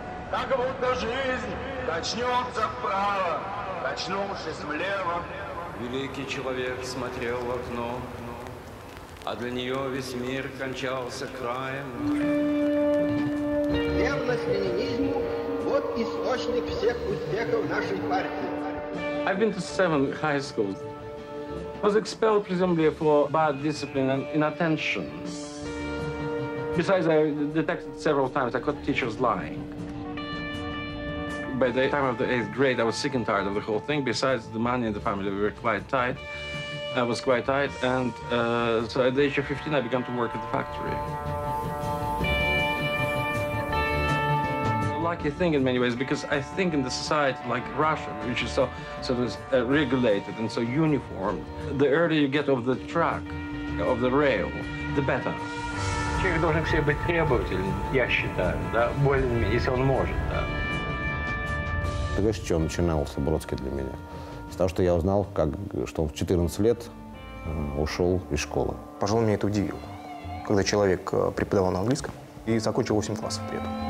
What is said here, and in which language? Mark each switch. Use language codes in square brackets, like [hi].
[ru] Как будто жизнь качнется вправо, качнувшись влево. Великий человек смотрел в окно, а для нее весь мир кончался краем. Ревность к ленинизму – вот источник всех успехов нашей партии. [en] I've been to 7 high schools. Was expelled presumably for bad discipline and inattention. Besides, I detected several times I caught teachers lying. By the time of the 8th grade, I was sick and tired of the whole thing. Besides the money in the family, we were quite tight. I was quite tight, and so at the age of 15, I began to work at the factory. Lucky thing in many ways, because I think in the society like Russia, which is so sort of regulated and so uniform, the earlier you get off the track, off the rail, the better. [ru] Человек должен к себе быть требовательным, я считаю, да, более, если он может, да. Ты знаешь, с чего начинался Бродский для меня? С того, что я узнал, что он в 14 лет ушел из школы. Пожалуй, меня это удивило, когда человек преподавал на английском и закончил 8 классов при этом.